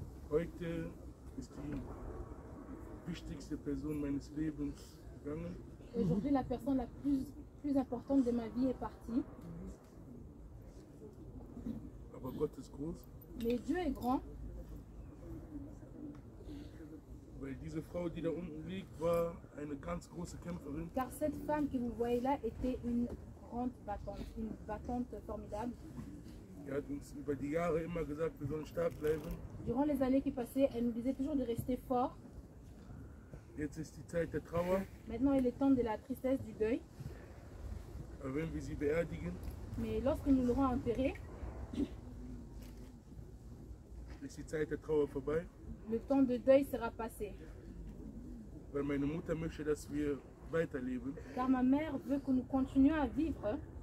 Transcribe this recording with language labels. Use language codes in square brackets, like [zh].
[de] Heute ist die wichtigste Person meines Lebens gegangen. [fr] Aujourd'hui la personne la plus importante de ma vie est partie. [de] Aber Gott ist groß. [fr] Mais Dieu est grand. [de] Weil diese Frau, die da unten liegt, war eine ganz große Kämpferin. [fr] Car cette femme que vous voyez là était une grande battante, une battante formidable. [de] Sie hat uns über die Jahre immer gesagt, wir sollen stark bleiben. [fr] Durant les années qui passaient, elle nous disait toujours de rester fort. [de] Jetzt ist die Zeit der Trauer. [fr] Maintenant, il est temps de la tristesse, du deuil. [de] Wenn wir sie beerdigen. [fr] Mais lorsque nous l'aurons enterré, [de] ist die Zeit der Trauer vorbei. [fr] Le temps de deuil sera passé. [de] Weil meine Mutter möchte, dass wir weiterleben. [fr] Car ma mère veut que nous continuions à vivre.